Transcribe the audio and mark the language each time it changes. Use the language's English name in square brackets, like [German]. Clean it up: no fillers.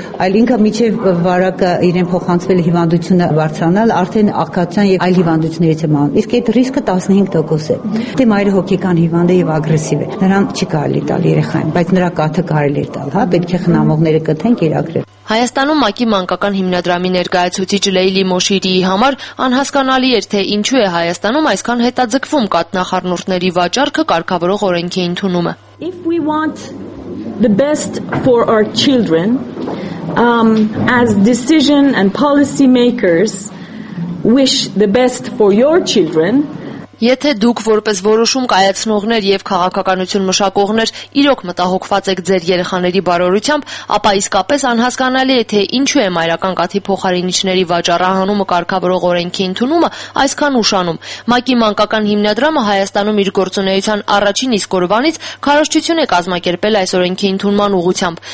[Armenian] այլ ինքը մինչև վարակը իրեն փոխանցվել հիվանդությունը բարձրանալ, արդեն աղքատության եւ այլ հիվանդություններից է մահանում։ Իսկ այդ ռիսկը 15% է։ Դե մայրը հոգեկան հիվանդ է եւ ագրեսիվ է, նրան չի կարելի տալ երեխան, բայց նրա կաթը կարելի է տալ, հա, պետք է խնամողները կթեն կերակրել։ Հայաստանում ՄԱԿ-ի մանկական հիմնադրամի ներկայացուցիչ Լեյլի Մոշիրիի համար անհասկանալի էր, թե ինչու է Հայաստանում այսքան հետաձգվում կաթնախառնուրդների վաճառքը կարգավորող օրենքի ընդունումը։ [English] If we want the best for our children, as decision and policy makers wish the best for your children, [Armenian] եթե դուք որպես որոշում կայացնողներ եւ քաղաքականություն մշակողներ իրոք մտահոգված եք ձեր երեխաների բարօրությամբ, ապա իսկապես անհասկանալի է, թե ինչու է մայրական կաթի փոխարինիչների վաճառահանումը կարգավորող օրենքի ընդունումը այսքան ուշանում։ ՄԱԿ-ի մանկական հիմնադրամը Հայաստանում իր գործունեության առաջին իսկ օրվանից քարոշչություն է կազմակերպել այս օրենքի ընդունման ուղղությամբ։